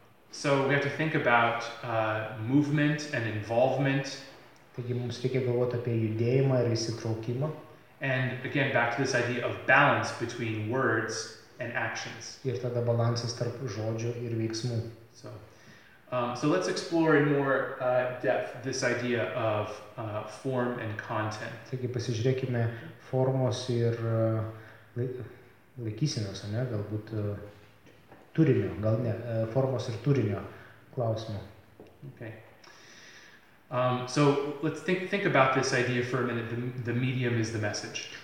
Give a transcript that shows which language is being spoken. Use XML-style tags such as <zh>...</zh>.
<en>So we have to think about movement and involvement.</en> <lt>Taigi mums reikia galvoti apie judėjimą ir įsitraukimą.</lt> <en>And again, back to this idea of balance between words and actions.</en> <lt>Ir tada balansas tarp žodžių ir veiksmų.</lt> <en>So let's explore in more depth this idea of form and content.</en> <lt>Taigi pasižiūrėkime formos ir laikysenos, ne, galbūt turinio, gal ne, formos ir turinio klausimo.</lt> <en>Okay. So let's think about this idea for a minute. The medium is the message.</en>